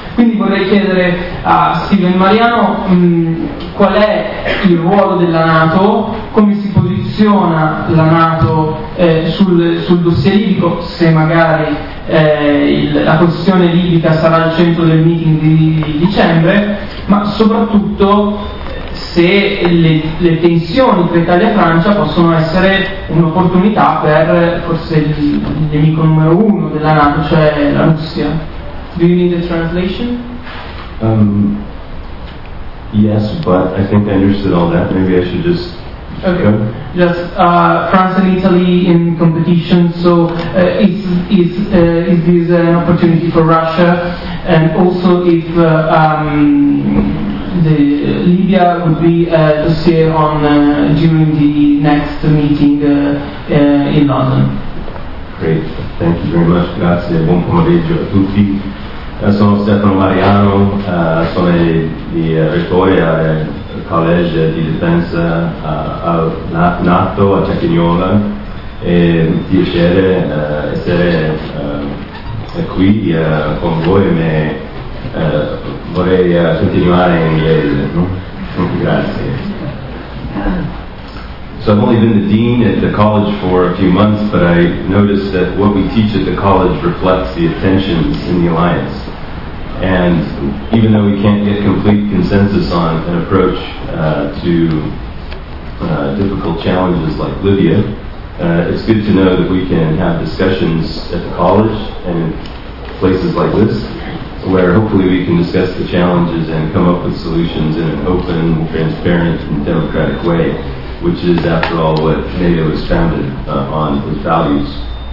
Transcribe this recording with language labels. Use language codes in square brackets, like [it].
[it] Quindi vorrei chiedere a Steven Mariano qual è il ruolo della NATO, come si posiziona la NATO sul dossier libico, se magari la questione libica sarà al centro del meeting di dicembre, ma soprattutto se le tensioni tra Italia e Francia possono essere un'opportunità per forse il nemico numero uno della NATO, cioè la Russia. [en] Do you need the translation? Yes, but I think I understood all that. Maybe I should just okay. Just France and Italy in competition. So is this an opportunity for Russia? And also, if Libya would be a dossier on during the next meeting in London. Great. Thank you very much. [it] Grazie. Buon pomeriggio a tutti. Sono Stefano Mariano, sono di rettore al College di Difesa NATO a Cecchignola, e piacere essere qui con voi, ma vorrei continuare in inglese, no? Grazie. [en] So I've only been the dean at the college for a few months, but I noticed that what we teach at the college reflects the tensions in the alliance. And even though we can't get complete consensus on an approach to difficult challenges like Libya, it's good to know that we can have discussions at the college and in places like this, where hopefully we can discuss the challenges and come up with solutions in an open, transparent, and democratic way, which is, after all, what NATO is founded on, its values.